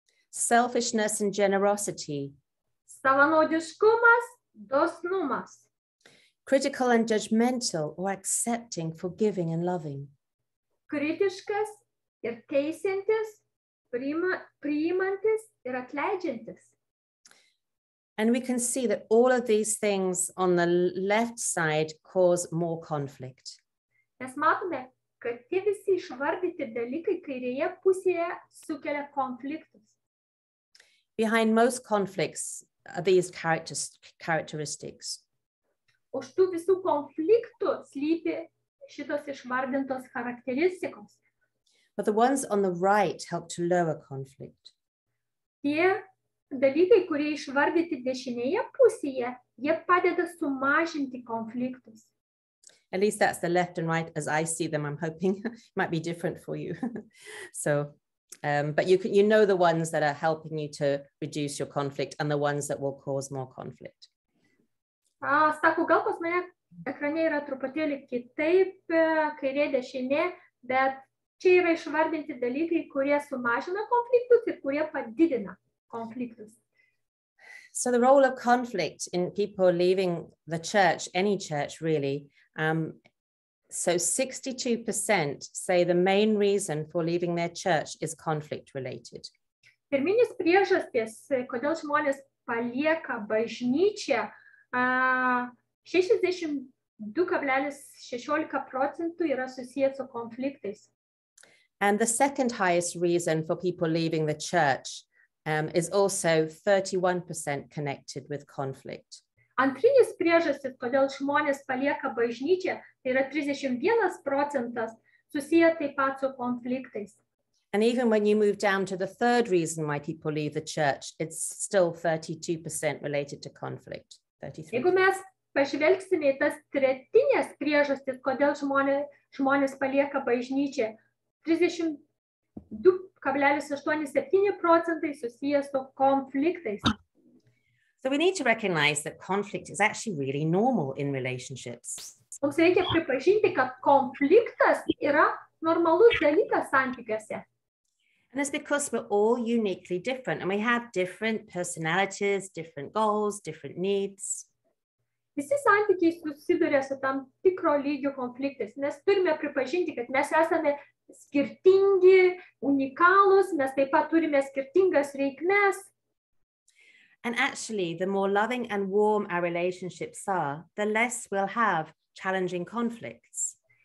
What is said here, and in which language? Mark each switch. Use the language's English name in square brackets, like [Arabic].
[English] Selfishness and generosity. [Lithuanian] Savanaudiškumas, dosnumas. [English] Critical and judgmental or accepting, forgiving and loving. [Lithuanian] Kritiškas ir teisintis. Priimantis ir atleidžiantis. [English] And we can see that all of these things on the left side cause more conflict. [Lithuanian] Mes matome, kad tie visi išvardyti dalykai kairėje pusėje sukelia konfliktus. [English] Behind most conflicts are these characteristics. [Lithuanian] Už tų visų konfliktų slypi šitos išvardintos charakteristikos. [English] But the ones on the right help to lower conflict. [Lithuanian] Tie dalykai, kurie išvardyti dešinėje pusėje, jie padeda sumažinti konfliktus. [English] At least that's the left and right as I see them. I'm hoping it might be different for you. So, but you know the ones that are helping you to reduce your conflict and the ones that will cause more conflict. [Lithuanian] Sakau, gal pas mane ekrane yra truputėlį kitaip, kairė dešinė, bet čia yra išvardinti dalykai, kurie sumažina konfliktus ir kurie padidina konfliktus. [English] So the role of conflict in people leaving the church, any church really, so 62% say the main reason for leaving their church is conflict related. [Lithuanian] Pirminis priežastis, kodėl žmonės palieka bažnyčią, 62.16% yra susiję su konfliktais. [English] And the second highest reason for people leaving the church is also 31% connected with conflict. [Lithuanian] Antrinis priežastis, kodėl žmonės palieka bažnyčią, tai yra 31% susiję taip pat su konfliktais. [English] And even when you move down to the third reason why people leave the church, it's still 32% related to conflict. 33%. [Lithuanian] Pažvelgsime į tas tretinės priežastis, kodėl žmonės palieka bažnyčią, 32.87% susiję su konfliktais. [English] So we need to recognize that conflict is actually really normal in relationships. [Lithuanian] Mums reikia pripažinti, kad konfliktas yra normalus dalykas santykiuose. [English] And it's because we're all uniquely different and we have different personalities, different goals, different needs. [Lithuanian] Visi santykiai susiduria su tam tikro lygio konfliktais. Mes turime pripažinti, kad mes esame skirtingi, unikalūs, mes taip pat turime skirtingas reikmes. [English] And actually, the more loving and warm our relationships are, the less we'll have challenging conflicts.